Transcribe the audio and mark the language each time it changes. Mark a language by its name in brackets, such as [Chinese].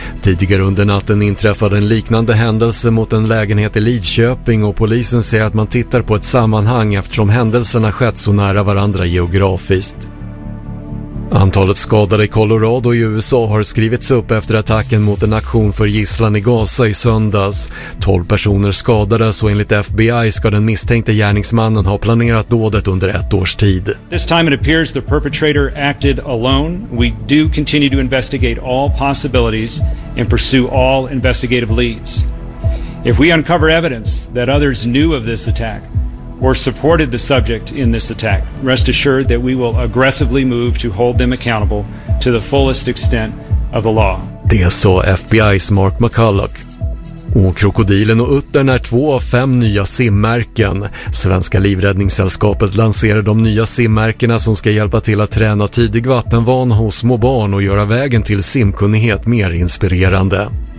[Swedish] Tidigare under natten inträffade en liknande händelse mot en lägenhet i Lidköping och polisen säger att man tittar på ett sammanhang eftersom händelserna skett så nära varandra geografiskt. Antalet skadade i Colorado och i USA har skrivits upp efter attacken mot en aktion för gisslan i Gaza i söndags. 12 personer skadades och enligt FBI ska den misstänkte gärningsmannen ha planerat dådet under ett års tid. [English] This time it appears the perpetrator acted alone. We do continue to investigate all possibilities and pursue all investigative leads. If we uncover evidence that others knew of this attack or supported the subject in this attack, rest assured that we will aggressively move to hold them accountable to the fullest extent of the law. [Swedish] Det sa FBI's Mark McCulloch. Och krokodilen och uttern är två av fem nya simmärken. Svenska livräddningssällskapet lanserar de nya simmärkena som ska hjälpa till att träna tidig vattenvan hos små barn och göra vägen till simkunnighet mer inspirerande.